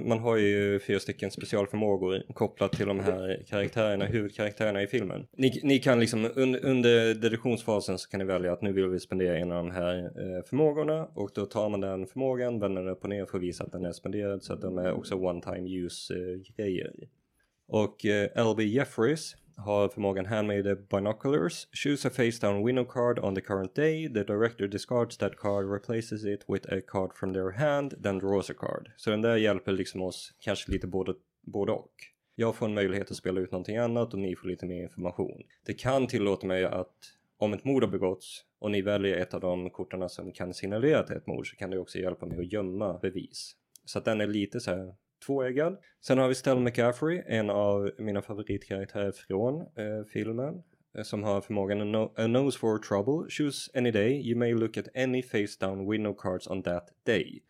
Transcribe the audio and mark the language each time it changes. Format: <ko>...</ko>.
<sv>Man har ju 4 stycken specialförmågor kopplat till de här karaktärerna, huvudkaraktärerna i filmen. Ni kan liksom, under deduktionsfasen så kan ni välja att nu vill vi spendera en av de här förmågorna. Och då tar man den förmågan, vänder upp och ner för att visa att den är spenderad. Så att de är också one-time-use-grejer. Och L.B. Jeffries... har förmågan</sv> <en>handmade binoculars, choose a face down window card on the current day, the director discards that card, replaces it with a card from their hand, then draws a card.</en> <sv>Så den där hjälper liksom oss kanske lite både och. Jag får en möjlighet att spela ut någonting annat och ni får lite mer information. Det kan tillåta mig att om ett mord har begåtts och ni väljer ett av de kortarna som kan signalera till ett mord så kan det också hjälpa mig att gömma bevis. Så att den är lite så här... tvåäggad. Sen har vi Stella McCaffrey, en av mina favoritkaraktärer från filmen, som har förmågan</sv> <en>a nose for trouble, choose any day, you may look at any face down window cards on that day.</en>